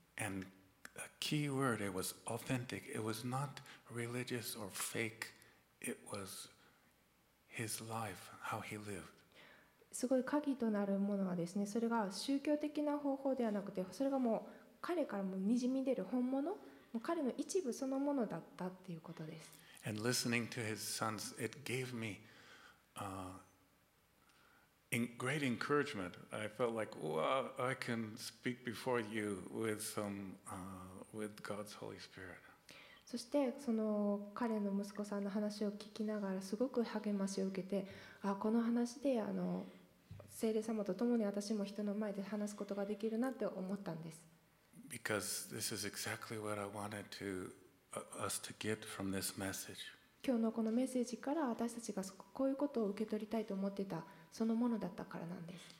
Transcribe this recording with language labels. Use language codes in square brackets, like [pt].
[en] And a key word, it was authentic. It was not religious or fake. It was his life, how he lived. [ja] すごい鍵となるものはですね、それが宗教的な方法ではなくて、それがもう彼からもにじみ出る本物、彼の一部そのものだったっていうことです。 [en] And listening to his sons, it gave me great encouragement. I felt like, wow, I can speak before you with some with God's Holy Spirit. [ja] そしてその彼の息子さんの話を聞きながらすごく励ましを受けて、あ、この話で聖霊様と共に私も人の前で話すことができるなって思ったんです。 [en] Because this is exactly what I wanted to, us to get from this message. [ja] 今日のこのメッセージから私たちがこういうことを受け取りたいと思ってたそのものだったからなんです。